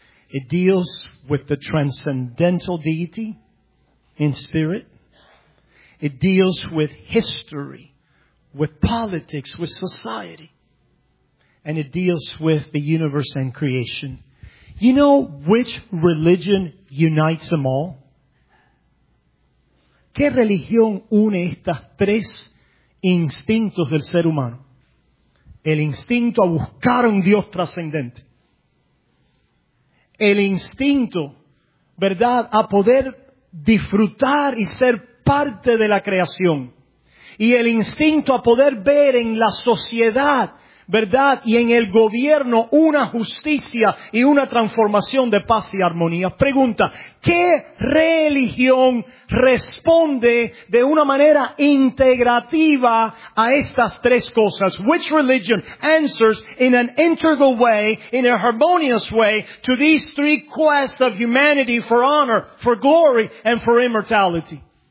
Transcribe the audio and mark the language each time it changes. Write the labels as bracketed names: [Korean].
[English] It deals with the transcendental deity in spirit. It deals with history, with politics, with society. And it deals with the universe and creation. You know which religion unites them all? [Spanish] ¿Qué religión une estas tres instintos del ser humano? El instinto a buscar un Dios trascendente. El instinto, ¿verdad?, a poder disfrutar y ser parte de la creación. Y el instinto a poder ver en la sociedad, ¿verdad? Y en el gobierno una justicia y una transformación de paz y armonía. Pregunta, ¿qué religión responde de una manera integrativa a estas tres cosas? [English] Which religion answers in an integral way, in a harmonious way, to these three quests of humanity for honor, for glory, and for immortality?